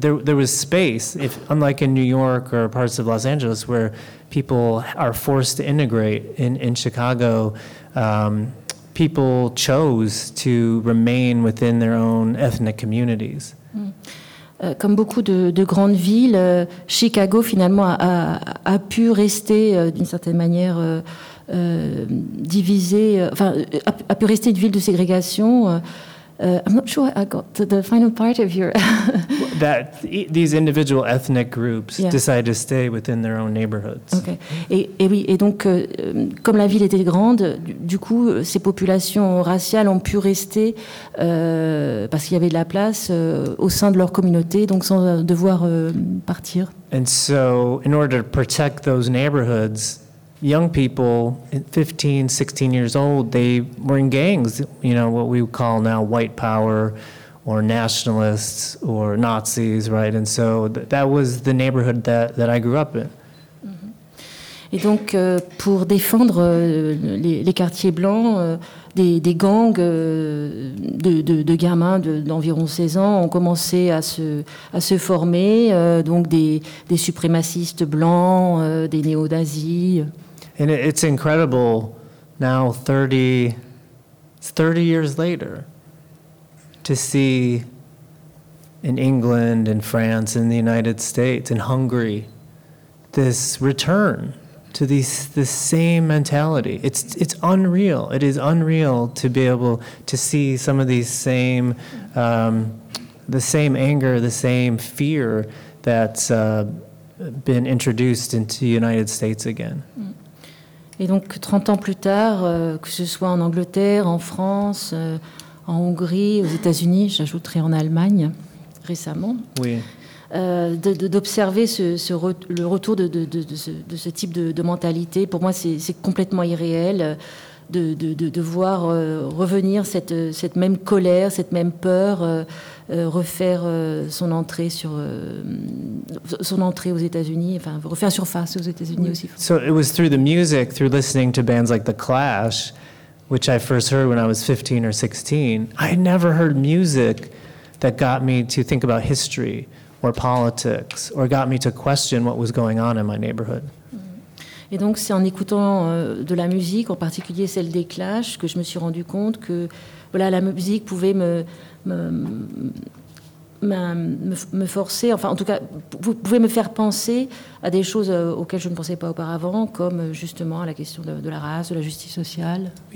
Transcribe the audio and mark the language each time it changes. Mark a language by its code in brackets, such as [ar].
[en] There was space, if unlike in New York or parts of Los Angeles where people are forced to integrate, in Chicago, people chose to remain within their own ethnic communities. [fr] Comme beaucoup de grandes villes, Chicago finalement a pu rester d'une certaine manière a pu rester une ville de ségrégation. [en] I'm not sure I got to the final part of your... that these individual ethnic groups decided to stay within their own neighborhoods. Okay. [fr] Et oui, et donc, comme la ville était grande, du coup, ces populations raciales ont pu rester parce qu'il y avait de la place au sein de leur communauté, donc sans devoir partir. [en] And so, in order to protect those neighborhoods, young people, 15, 16 years old, they were in gangs, you know, what we would call now white power or nationalists or Nazis, right? And so that was the neighborhood that I grew up in. [fr] Et donc, pour défendre les quartiers blancs, des gangs de gamins d'environ 16 ans ont commencé à se former, donc des suprémacistes blancs, des néo-nazis. [en] And it's incredible now, 30 years later, to see in England and France and the United States and Hungary this return to this same mentality. It's unreal. It is unreal to be able to see some of these same, the same anger, the same fear that's been introduced into the United States again. [fr] Et donc, 30 ans plus tard, que ce soit en Angleterre, en France, en Hongrie, aux États-Unis, j'ajouterai en Allemagne récemment, oui. D'observer le retour de ce type de mentalité, pour moi, c'est complètement irréel de voir revenir cette même colère, cette même peur, refaire son entrée aux États-Unis, enfin refaire surface aux États-Unis aussi. [en] So it was through the music, through listening to bands like The Clash, which I first heard when I was 15 or 16. I had never heard music that got me to think about history or politics, or got me to question what was going on in my neighborhood. [fr] Et donc c'est en écoutant de la musique, en particulier celle des Clash, que je me suis rendu compte que voilà, la musique pouvait me forcer, enfin en tout cas, vous pouvez me faire penser à des choses auxquelles je ne pensais pas auparavant, comme justement à la question de la race, de la justice sociale.